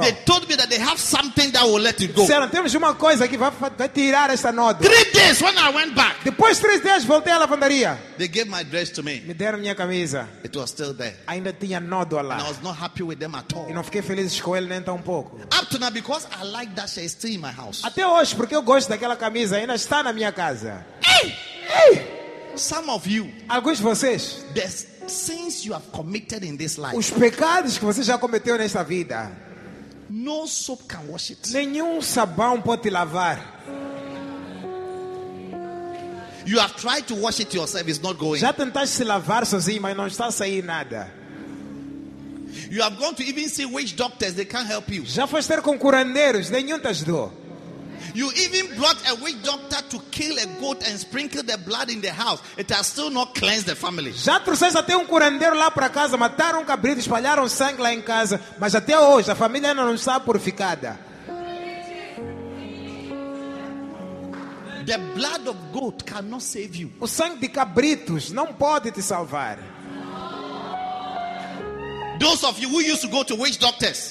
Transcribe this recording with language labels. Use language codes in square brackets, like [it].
[en] They told me that they have something that will let it go. [pt] Disseram, temos uma coisa que vai tirar essa nódoa. [en] 3 days when I went back. [pt] Depois de 3 dias voltei à lavandaria. [en] They gave my dress to me. [pt] Me deram minha camisa. [en] It was still there. [pt] Ainda tinha nódoa lá. [en] And I was not happy with them at all. [pt] E não fiquei feliz com ele nem tão pouco. [en] Up to now because I like that shirt, it's still in my house. [pt] Até hoje porque eu gosto daquela camisa, ainda está na minha casa. [en] Hey! Hey! Some of you, [pt] alguns de vocês, [en] the sins you have committed in this life, [pt] os pecados que você já cometeu nesta vida, [en] no soap can wash it. [pt] Nenhum sabão pode te lavar. [en] You have tried to wash it yourself, it's not going. [pt] Já tentaste se lavar sozinho, mas não está saindo nada. [en] You have gone to even see witch doctors, they can't help you. [pt] Já foste ter com curandeiros, nenhum te ajudou. [en] You even brought a witch doctor to kill a goat and sprinkle the blood in the house. It has still not cleansed the family. [pt] Já trouxeste até curandeiro lá para casa, mataram cabrito, espalharam sangue lá em casa, mas até hoje a família ainda não está purificada. [en] The blood of goat cannot save you. [pt] O sangue de cabritos não pode te salvar. [en] Those of you who used to go to witch doctors.